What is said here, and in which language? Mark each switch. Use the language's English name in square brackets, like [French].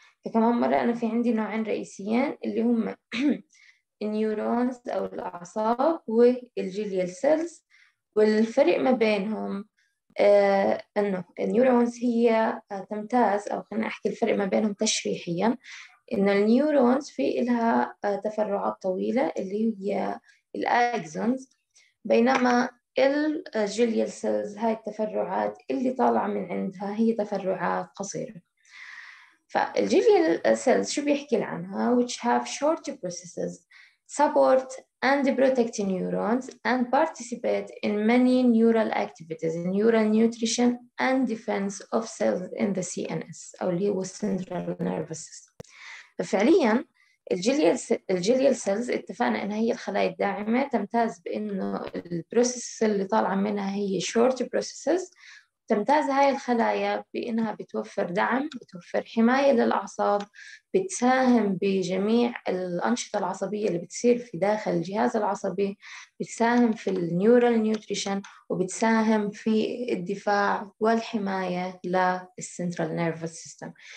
[Arabic] فكمان مرة، أنا في عندي نوعين رئيسيين اللي هم النيورونز أو الأعصاب والجليل سيلز، والفرق ما بينهم إنه النيورونز هي تمتاز، أو خلينا أحكي الفرق ما بينهم تشريحيا، إنه النيورونز في إلها تفرعات طويلة اللي هي الأكسونز، بينما الجليال سيلز هاي التفرعات اللي طالعة من عندها هي تفرعات قصيرة. فالجليال سيلز شو بيحكي عنها؟ [English] which have short processes support and protect neurons and participate in many neural activities, neural nutrition and defense of cells in the CNS [Arabic] أو اللي هو [English] central nervous system. [Arabic] ففعلياً الجليال سيلز اتفقنا انها هي الخلايا الداعمه، تمتاز بانه البروسيس اللي طالعه منها هي شورت بروسيسز، تمتاز هاي الخلايا بانها بتوفر دعم، بتوفر حمايه للاعصاب، بتساهم بجميع الانشطه العصبيه اللي بتصير في داخل الجهاز العصبي، بتساهم في النيورال نيوتريشن، وبتساهم في الدفاع والحمايه للسنترال نيرفس سيستم.